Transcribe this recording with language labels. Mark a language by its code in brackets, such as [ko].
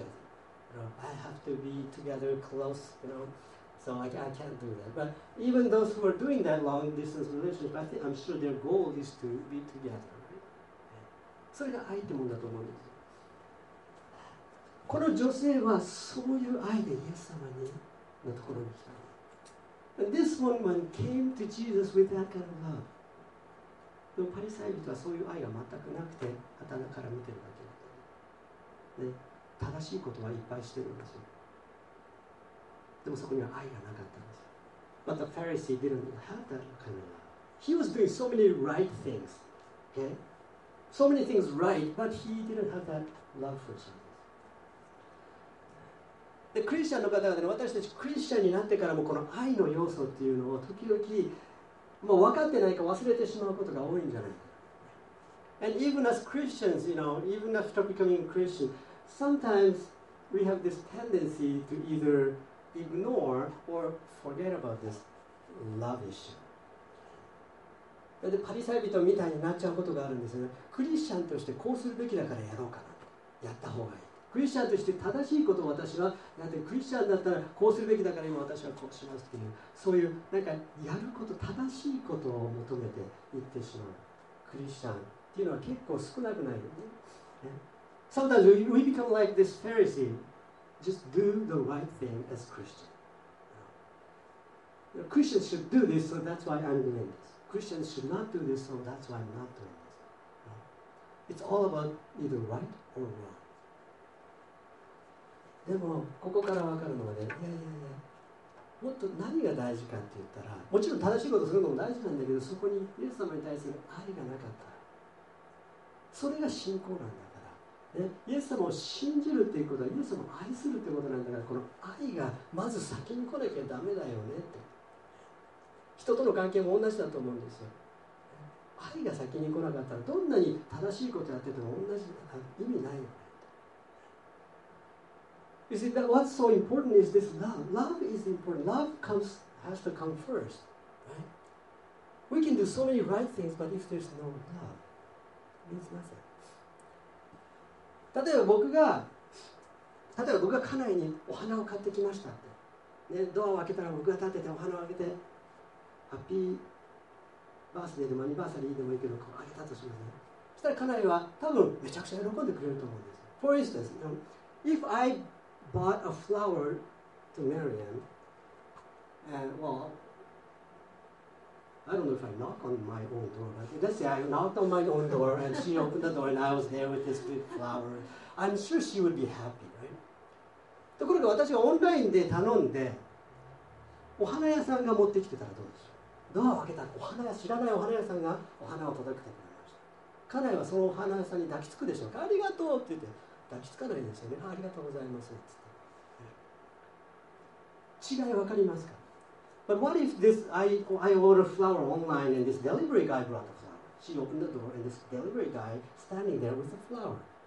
[en] You know, I have to be together close, you know, so I can't do that. But even those who are doing that long distance relationship, I think I'm sure their goal is to be together. So that's the [ja] 愛ってもんだと思うんです。この女性はそういう愛でイエス様にのところに来た。 [en] And this woman came to Jesus with that kind of love. [ja] でもパリサイ人はそういう愛が全くなくて、傍から見てるだけ。ね。正しいことはいっぱいしてるんですよ。でもそこには愛がなかったんですよ。 [en] But the Pharisee didn't have that kind of love. He was doing so many right things. Okay? So many things right, but he didn't have that love for Jesus. [ja] で、クリスチャンの方々ね、私たちクリスチャンになってからもこの愛の要素っていうのを時々もう分かってないか忘れてしまうことが多いんじゃないか。 [en] And even as Christians, you know, even after becoming Christian,Sometimes we have this tendency to either ignore or forget about this love issue. [ja] で、パリサイ人みたいになっちゃうことがあるんですよね。クリスチャンとしてこうするべきだからやろうかな。やった方がいい。クリスチャンとして正しいことを私は、だってクリスチャンだったらこうするべきだから今私はこうしますっていう、そういうなんかやること、正しいことを求めていってしまうクリスチャンっていうのは結構少なくないよね。 [en] Sometimes we become like this Pharisee, just do the right thing as Christian. You know, Christians should do this, so that's why I'm doing this. Christians should not do this, so that's why I'm not doing this. It's all about either right or wrong. [ja] でもここから分かるのはね、いやいやいや、もっと何が大事かって言ったら、もちろん正しいことするのも大事なんだけど、そこにイエス様に対する愛がなかった。それが信仰なんだから、ね、イエス様を信じるっていうことはイエス様を愛するってことなんだから、この愛がまず先に来なきゃダメだよねって。人との関係も同じだと思うんですよ。愛が先に来なかったらどんなに正しいことやってても同じ意味ないよね。 [en] You see, that what's so important is this love. Love is important. Love comes, has to come first, right? We can do so many right things, but if there's no love, means nothing. [ja] 例えば僕が、家内にお花を買ってきましたって、ね、ドアを開けたら僕が立ててお花をあげて、ハッピーバースデーでもアニバーサリーでもいいけど、こうあげたとしますね。そしたら家内は多分めちゃくちゃ喜んでくれると思うんです。 [en] For instance, you know, if I bought a flower to Marianne, and well, I don't know if I knock on my own door, but let's say I knocked on my own door and she opened the door and I was there with this big flower, I'm sure she would be happy, right? [ja] ところが私がオンラインで頼んで、お花屋さんが持ってきてたらどうでしょう。ドアを開けたらお花屋、知らないお花屋さんがお花を届けてくれました。家内はそのお花屋さんに抱きつくでしょうか。ありがとうって言って、抱きつかないですよね。ありがとうございますって言って。違い分かりますか。 [en] But what if this, I ordered flower online and this delivery guy brought the flower. She opened the door and this delivery guy standing there with the flower.